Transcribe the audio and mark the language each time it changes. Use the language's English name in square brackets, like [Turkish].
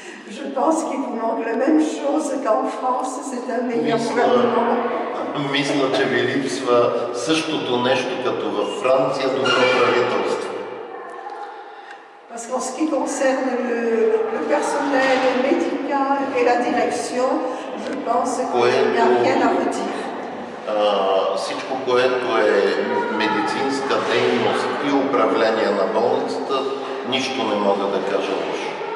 [French] Je pense qu'il vous manque la même chose qu'en France, c'est un meilleur gouvernement. [Bulgarian] Мисля, че ви липсва същото нещо като във Франция, добро правителство. [French] Parce qu'en ce qui concerne le personnel médical et la direction, je pense qu'il n'y a rien à redire. [Bulgarian] Всичко, което е медицинска дейност и управление на болницата, нищо не мога да кажа лошо.